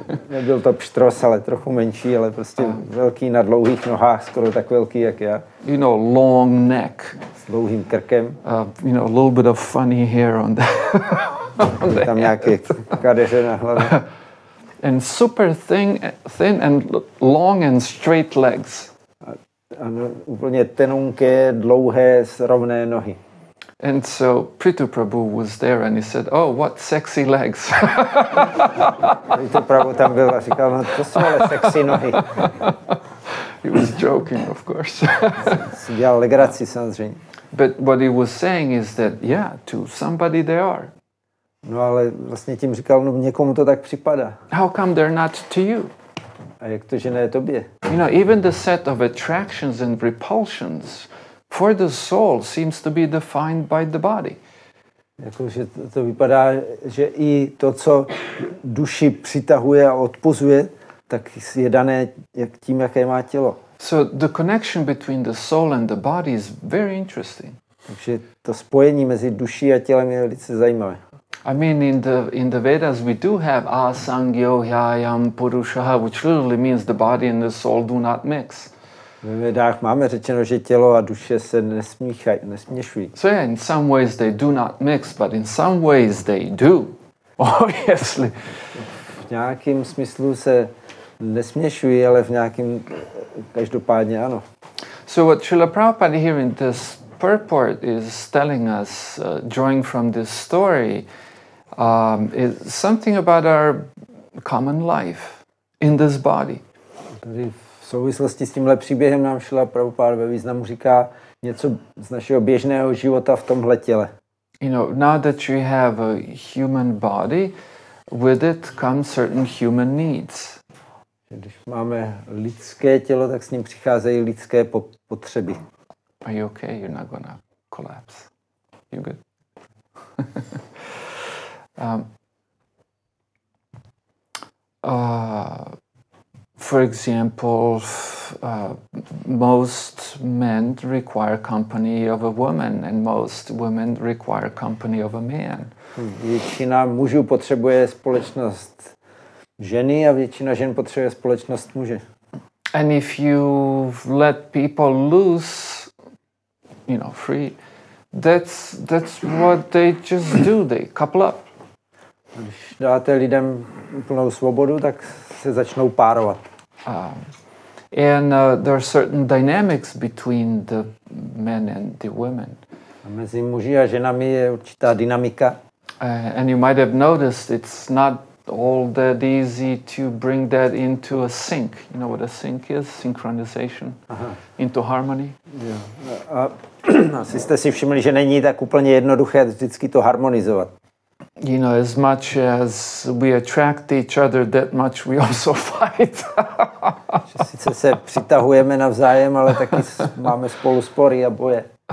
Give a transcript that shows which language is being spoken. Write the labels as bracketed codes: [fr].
[cs] Nebyl to pštros, ale trochu menší, ale prostě velký na dlouhých nohách, skoro tak velký, jak já. [en] You know, long neck. [cs] S dlouhým krkem. [en] You know, a little bit of funny hair on the head. [cs] Tam nějaké kadeře na hlavě. [en] And super thin and long and straight legs. [cs] Ano, úplně tenunké, dlouhé, rovné nohy. [en] And so Prithu Prabhu was there and he said, oh, what sexy legs. [cs] Prithu Prabhu tam byl a říkal, no to jsou ale sexy nohy. [en] He was joking, of course. [cs] Si dělal legraci, samozřejmě. [en] But what he was saying is that, yeah, to somebody they are. [cs] No ale vlastně tím říkal, no někomu to tak připadá. [en] How come they're not to you? [cs] A jak to, že ne tobě? [en] You know, even the set of attractions and repulsions for the soul seems to be defined by the body. [cs] Jakože to vypadá, že i to, co duši přitahuje a odpuzuje, tak je dané jak tím, jaké má tělo. [en] So the connection between the soul and the body is very interesting. [cs] Takže to spojení mezi duší a tělem je velice zajímavé. [en] I mean, in the Vedas, we do have [sa] asangyo hyayam purushaha, [en] which literally means the body and the soul do not mix. [cs] Ve Vedách máme řečeno, že tělo a duše se nesměšují. [en] So yeah, in some ways they do not mix, but in some ways they do, obviously. [cs] V nějakém smyslu se nesměšují, ale v nějakém každopádně ano. [en] So what Srila Prabhupada here in this purport is telling us, drawing from this story, is something about our common life in this body. [cs] Tady v souvislosti s tímhle příběhem nám Šila Prabhupáda ve významu říká něco z našeho běžného života v tomhle těle. [en] You know, now that you have a human body, with it come certain human needs. [cs] Když máme lidské tělo, tak s ním přicházejí lidské potřeby. [en] Are you okay? You're not gonna collapse. You good? for example, most men require company of a woman, and most women require company of a man. [cs] Většina mužů potřebuje společnost ženy a většina žen potřebuje společnost muže. [en] And if you let people loose, you know, free, that's what they just do. They couple up. [cs] Když dáte lidem plnou svobodu, tak se začnou párovat. [en] There are certain dynamics between the men and the women. [cs] A mezi muži a ženami je určitá dynamika. [en] And you might have noticed it's not all that easy to bring that into a sync. You know what a sync is? Synchronization. Aha. Into harmony. Yeah. [cs] Asi jste si všimli, že není tak úplně jednoduché vždycky to harmonizovat. [en] You know, as much as we attract each other, that much we also fight. [cs] Sice se přitahujeme navzájem, ale taky máme spolu spory a boje.